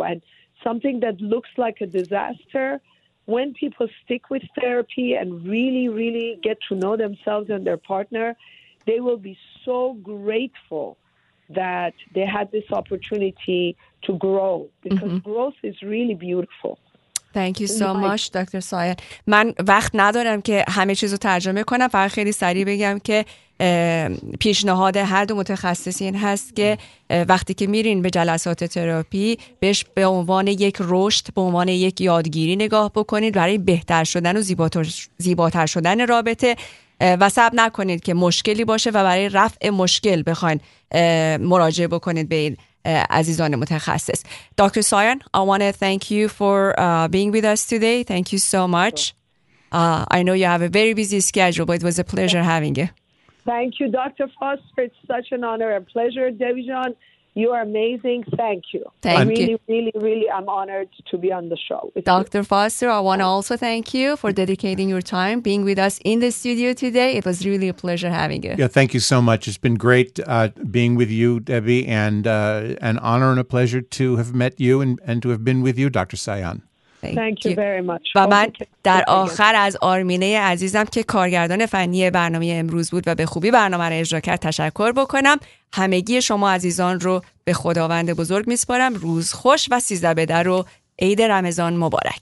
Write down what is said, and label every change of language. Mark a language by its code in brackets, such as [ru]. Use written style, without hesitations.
[en] And something that looks like a disaster, when people stick with therapy and really, really get to know themselves and their partner, they will be so grateful that they had this opportunity to grow, because mm-hmm. growth is really beautiful. Thank you so much, Dr. Sayed. [fa] من وقت ندارم که همه چیزو ترجمه کنم، فقط خیلی سریع بگم که پیشنهاد هر دو متخصصین هست که وقتی که میرین به جلسات تراپی بهش به عنوان یک رشد، به عنوان یک یادگیری نگاه بکنید برای بهتر شدن و زیباتر شدن رابطه، و صبر نکنید که مشکلی باشه و برای رفع مشکل بخواین مراجعه بکنید به این عزیزان متخصص. [en] Dr. Soyan, I want to thank you for being with us today. Thank you so much. I know you have a very busy schedule, but it was a pleasure having you. Thank you, Dr. Foster. It's such an honor and pleasure. Devijan, you are amazing. Thank you. Thank you. Really, I'm honored to be on the show. Dr. Foster, I want to also thank you for dedicating your time being with us in the studio today. It was really a pleasure having you. Yeah, thank you so much. It's been great being with you, Debbie, and an honor and a pleasure to have met you and to have been with you, Dr. Sayan. Thank you very much. [fa] و من در آخر از آرمینه عزیزم که کارگردان فنی برنامه امروز بود و به خوبی برنامه را اجرا کرد تشکر بکنم. همگی شما عزیزان رو به خداوند بزرگ میسپارم. روز خوش و سیزده بدر و عید رمضان مبارک.